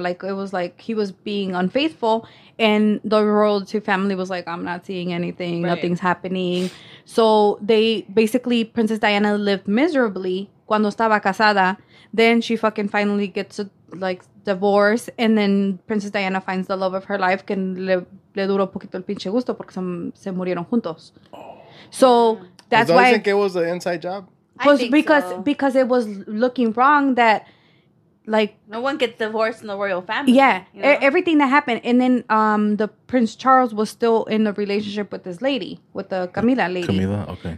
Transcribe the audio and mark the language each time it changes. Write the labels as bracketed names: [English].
[English] Like, it was like he was being unfaithful. And the royalty family was like, I'm not seeing anything. Right. Nothing's happening. So, they basically, Princess Diana lived miserably [Spanish] cuando estaba casada. [English] Then she fucking finally gets a, like, divorce. And then Princess Diana finds the love of her life. [Spanish] Que le duró poquito el pinche gusto porque se murieron juntos. [English] So, that's why. Do you think it was an inside job? Because it was looking wrong that, like, no one gets divorced in the royal family. Yeah, you know? Everything that happened. And then the Prince Charles was still in the relationship with this lady, with the Camila lady. Camila, okay.